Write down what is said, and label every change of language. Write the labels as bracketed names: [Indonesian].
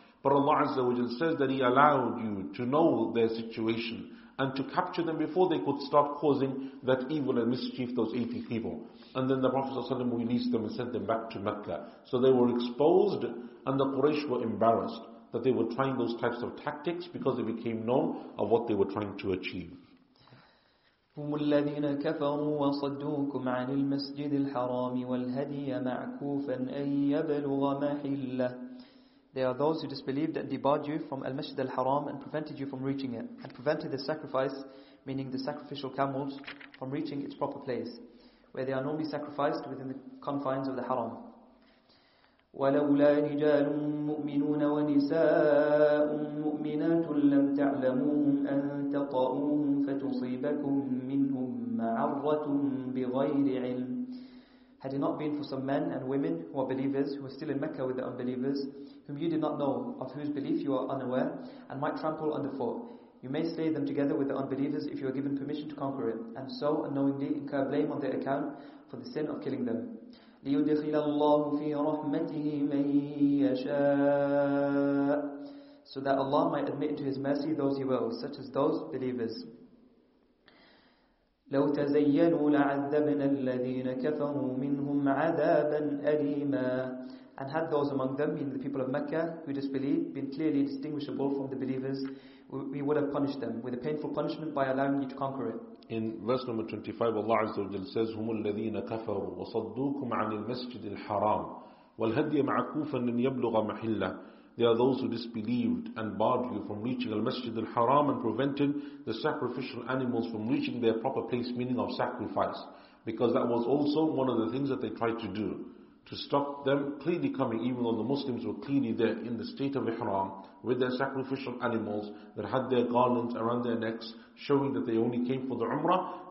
[English] But Allah Azza wa Jalla says that He allowed you to know their situation and to capture them before they could start causing that evil and mischief, those 80 people. And then the Prophet ﷺ released them and sent them back to Mecca. So they were exposed, and the Quraysh were embarrassed that they were trying those types of tactics, because it became known of what they were trying to achieve. [Arabic] هم الذين كفروا وصدوكم عن المسجد الحرام والهدي معكوفا أن يبلغ محله. [English] They are those who disbelieved and debarred you from Al-Masjid Al-Haram and prevented you from reaching it, and prevented the sacrifice, meaning the sacrificial camels, from reaching its proper place, where they are normally sacrificed within the confines of the Haram. [Arabic] وَلَوْلَا رِجَالٌ مُؤْمِنُونَ وَنِسَاءٌ مُؤْمِنَاتٌ لَمْ تَعْلَمُوهُمْ أَنْ تَطَأُوهُمْ فَتُصِيبَكُمْ مِنْهُمْ مَعَرَّةٌ بِغَيْرِ عِلْمٍ. [English] Had it not been for some men and women who are believers, who are still in Mecca with the unbelievers, whom you did not know, of whose belief you are unaware, and might trample underfoot, you may slay them together with the unbelievers if you are given permission to conquer it, and so unknowingly incur blame on their account for the sin of killing them. [Arabic] لِيُدْخِلَ اللَّهُ فِي رَحْمَتِهِ مَن يَشَاءُ, [English] so that Allah might admit into His mercy those He wills, such as those believers. [Arabic] لو تزينوا لعذبنا الذين كفروا منهم عذابا أليما. [English] And had those among them, meaning the people of Mecca who disbelieved, been clearly distinguishable from the believers, we would have punished them with a painful punishment by allowing you to conquer it. In verse number 25, Allah Azza wa Jalla says, [Arabic] هم الذين كفروا وصدوكم عن المسجد الحرام والهدي معكوفا أن يبلغ محله. [English] They are those who disbelieved and barred you from reaching al-Masjid al-Haram and prevented the sacrificial animals from reaching their proper place, meaning of sacrifice. Because that was also one of the things that they tried to do, to stop them clearly coming, even though the Muslims were clearly there in the state of Ihram with their sacrificial animals that had their garlands around their necks, showing that they only came for the Umrah.